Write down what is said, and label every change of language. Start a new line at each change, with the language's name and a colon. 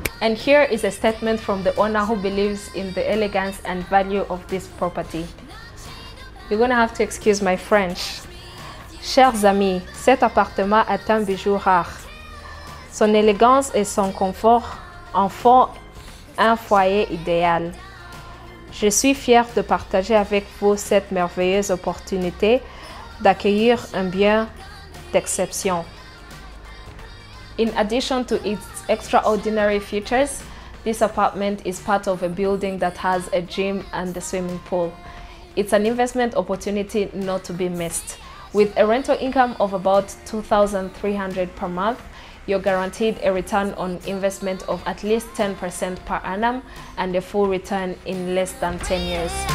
English: And here is a statement from the owner who believes in the elegance and value of this property. You're gonna have to excuse my French.
French: Chers amis, cet appartement est un bijou rare. Son élégance et son confort en font un foyer idéal. Je suis fière de partager avec vous cette merveilleuse opportunité d'accueillir un bien d'exception.
English: In addition to its extraordinary features, this apartment is part of a building that has a gym and a swimming pool. It's an investment opportunity not to be missed. With a rental income of about 2,300 per month, you're guaranteed a return on investment of at least 10% per annum and a full return in less than 10 years.